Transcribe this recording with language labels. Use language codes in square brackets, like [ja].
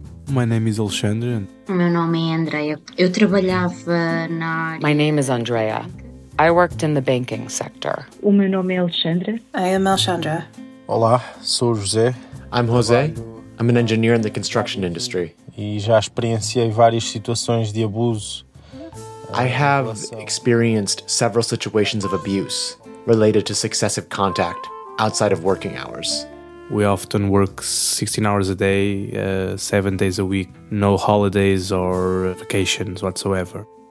[en] My name is Alexandre. My name is Andrea. I worked in the banking sector. [pt] O meu nome é Alexandre. [en] I am Alexandra. [pt] Olá, sou José. [en] I'm José. I'm an engineer in the construction industry. [pt] E já experienciei várias situações de abuso. [en] I have experienced several situations of abuse related to successive contact outside of working hours. We often work 16 hours a day, 7 days a week, no holidays or vacations whatsoever.